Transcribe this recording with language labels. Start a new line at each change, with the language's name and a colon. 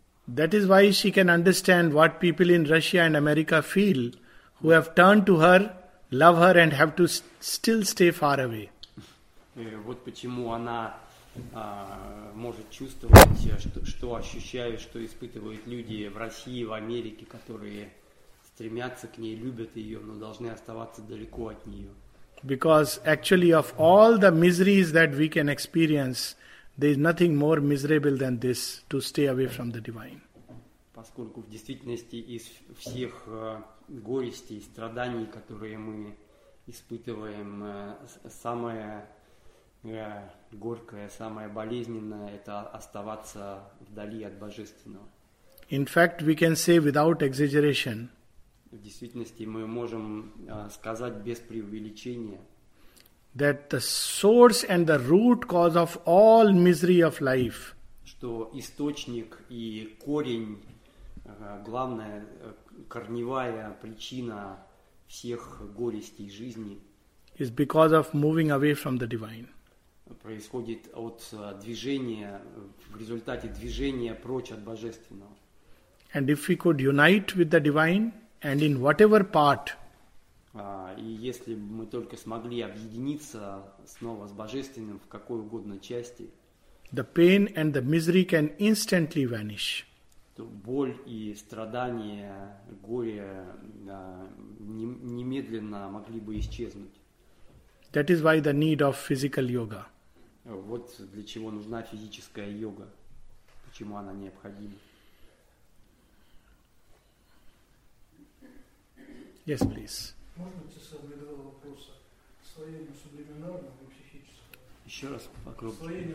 English: That is why she can understand what people in Russia and America feel, who have turned to her, love her, and have to still stay far away.
Russian: Вот почему она может чувствовать, что ощущают, что испытывают люди в России, в Америке, которые стремятся к ней, любят ее, но должны оставаться далеко от нее.
English: Because actually of all the miseries that we can experience, there is nothing more miserable than this, to stay away from the divine.
Russian: Поскольку в действительности из всех горестей, страданий, которые мы испытываем, самое горькое, самое болезненное – это оставаться вдали от Божественного.
English: In fact, we can say without exaggeration.
Russian: В действительности мы можем сказать без преувеличения.
English: That the source and the root cause of all misery of life.
Russian: Что источник и корень, главная корневая причина всех горестей жизни.
English: Is because of moving away from the divine.
Russian: Происходит от движения, в результате движения прочь от Божественного.
English: And if we could unite with the divine, and in whatever part.
Russian: И если бы мы только смогли объединиться снова с Божественным в какой угодно части,
English: the pain and the misery can instantly vanish.
Russian: То боль и страдания, горе немедленно могли бы исчезнуть.
English: That is why the need of physical yoga.
Russian: Вот для чего нужна физическая йога, почему она необходима.
English: Yes, please.
Russian: Можно тебе два вопроса? Освоение сублиминального и психического? Еще раз покрупнее.